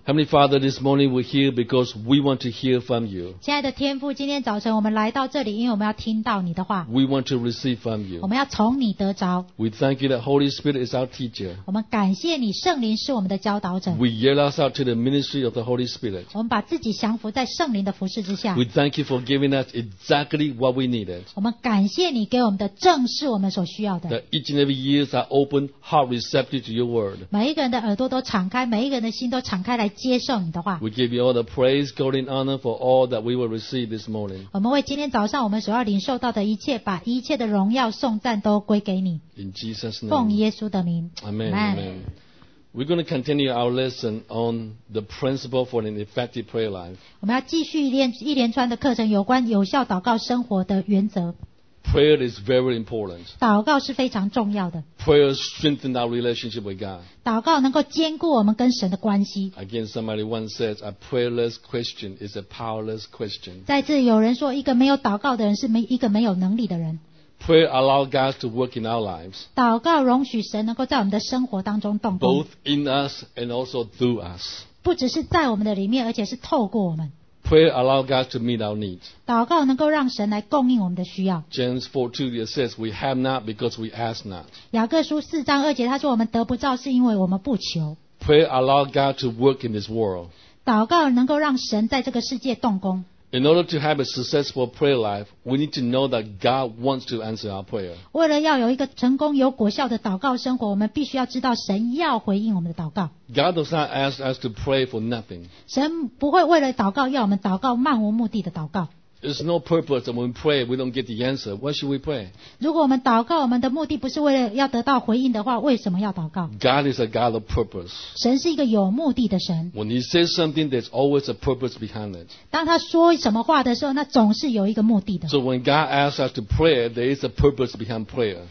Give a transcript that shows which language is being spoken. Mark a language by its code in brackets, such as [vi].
[en] Heavenly Father, this morning we're here because we want to hear from you. [zh] 亲爱的天父，今天早晨我们来到这里，因为我们要听到你的话。 [en] We want to receive from you. [zh] 我们要从你得着。 [en] We thank you that Holy Spirit is our teacher. [zh] 我们感谢你，圣灵是我们的教导者。 [en] We yield ourselves to the ministry of the Holy Spirit. [zh] 我们把自己降服在圣灵的服事之下。 [en] We thank you for giving us exactly what we needed. [zh] 我们感谢你给我们的正是我们所需要的。 [en] That each and every ears are open, heart receptive to you. [zh] 每一个人的耳朵都敞开，每一个人的心都敞开来接受你的话。 [en] We give you all the praise, glory, and honor for all that we will receive this morning. [zh] 我们为今天早上我们所要领受到的一切，把一切的荣耀颂赞都归给你。 [en] In Jesus' name. [zh] 奉耶稣的名。 [en] Amen. Amen. We're going to continue our lesson on the principle for an effective prayer life. [zh] 我们要继续一连串的课程，有关有效祷告生活的原则。 [en] Prayer is very important. [zh] 祷告是非常重要的。 [en] Prayer strengthens our relationship with God. [zh] 祷告能够坚固我们跟神的关系。 [en] Again, somebody once said, a prayerless Christian is a powerless Christian. [zh] 再次有人说，一个没有祷告的人是一个没有能力的人。 [en] Prayer allows God to work in our lives. [zh] 祷告容许神能够在我们的生活当中动工。 [en] Both in us and also through us. [zh] 不只是在我们的里面，而且是透过我们。 [en] Prayer allows God to meet our needs. [zh] 祷告能够让神来供应我们的需要。 [en] James 4:2 says, "We have not because we ask not." [zh] 雅各书四章二节，他说我们得不到是因为我们不求。 [en] Prayer allows God to work in this world. [zh] 祷告能够让神在这个世界动工。 [en] In order to have a successful prayer life, we need to know that God wants to answer our prayer. [zh] 为了要有一个成功有果效的祷告生活，我们必须要知道神要回应我们的祷告。 [en] God does not ask us to pray for nothing. [zh] 神不会为了祷告要我们祷告漫无目的的祷告。 [en] There's no purpose when we pray, we don't get the answer. Why should we pray? [zh] 如果我们祷告，我们的目的不是为了要得到回应的话，为什么要祷告？ [en] God is a God of purpose. [zh] 神是一个有目的的神。 [en] When he says something, there's always a purpose behind it. [zh] 当他说什么话的时候，那总是有一个目的的。 [en] So when God asks us to pray, there is a purpose behind prayer.